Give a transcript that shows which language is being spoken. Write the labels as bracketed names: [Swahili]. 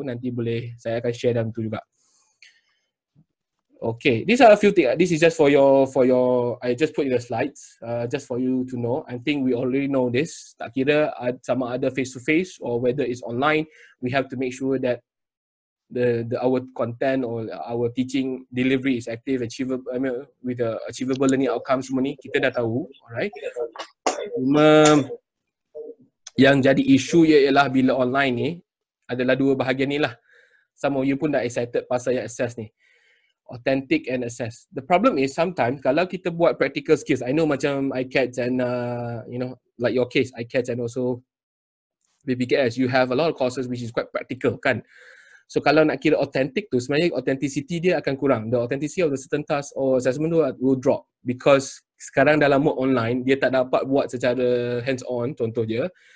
[Malay] Nanti boleh saya akan share dalam tu juga. [English] Okay, these are a few things. This is just for your. I just put in the slides, just for you to know. I think we already know this. [Malay] Tak kira sama ada [English] face to face or whether it's online, we have to make sure that the our content or our teaching delivery is active, achievable. I mean, with the achievable learning outcomes [Malay] semua ni kita dah tahu, [English] alright. [Malay] Cuma yang jadi isu ialah bila online ni adalah dua bahagian ni lah. [English] Some of you [Malay] pun dah [English] excited pasal yang assess ni. Authentic and assess. The problem is sometimes [Malay] kalau kita buat [English] practical skills, I know macam ICATS and you know, like your case, ICATS and also PPKS, you have a lot of courses which is quite practical kan. [Malay] So kalau nak kira authentic tu, sebenarnya authenticity dia akan kurang. [English] The authenticity of the certain task or assessment tu will drop because [Malay] sekarang dalam mode online, dia tak dapat buat secara hands on contoh dia.